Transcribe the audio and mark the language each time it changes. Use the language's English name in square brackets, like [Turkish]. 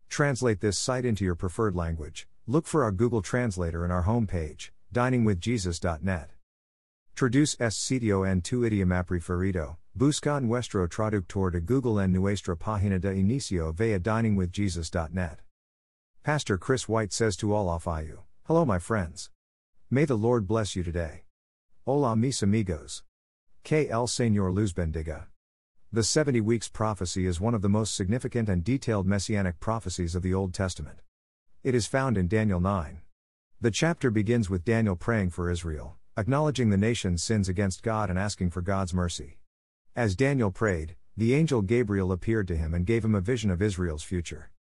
[English] Translate this site into your preferred language. Look for our Google Translator in our homepage, diningwithjesus.net. [Spanish] Traduce este sitio en tu idioma preferido. Busca nuestro traductor de Google en nuestra página de inicio via diningwithjesus.net. [English] Pastor Chris White says to all of you, hello my friends. May the Lord bless you today. [Spanish] Hola mis amigos. Que el Señor los bendiga. [English] The 70 weeks prophecy is one of the most significant and detailed messianic prophecies of the Old Testament. It is found in Daniel 9. The chapter begins with Daniel praying for Israel, acknowledging the nation's sins against God and asking for God's mercy. As Daniel prayed, the angel Gabriel appeared to him and gave him a vision of Israel's future.